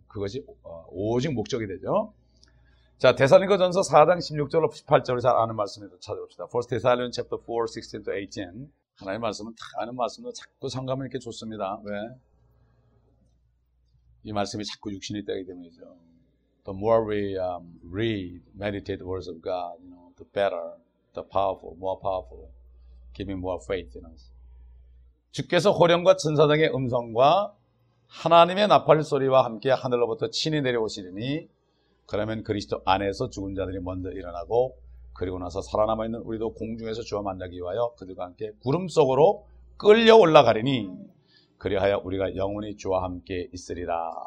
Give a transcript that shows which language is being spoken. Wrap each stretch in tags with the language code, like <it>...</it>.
<ko>그것이 오직 목적이 되죠. 자, 데살로니가전서 4장 16절로 18절을 잘 아는 말씀으로 찾아봅시다.</ko> <en>First Thessalonians chapter 4, 16 to 18.</en> <ko>하나님의 말씀은 다 아는 말씀으로 자꾸 성감을 이렇게 줬습니다. 왜? 이 말씀이 자꾸 육신이 되기 때문이죠.</ko> <en>The more we read, meditate the words of God, you know, the better, the powerful, more powerful, giving more faith in us.</en> <ko>주께서 호령과 천사장의 음성과 하나님의 나팔 소리와 함께 하늘로부터 친히 내려오시리니 그러면 그리스도 안에서 죽은 자들이 먼저 일어나고 그리고 나서 살아남아 있는 우리도 공중에서 주와 만나기 위하여 그들과 함께 구름 속으로 끌려 올라가리니 그리하여 우리가 영원히 주와 함께 있으리라.</ko>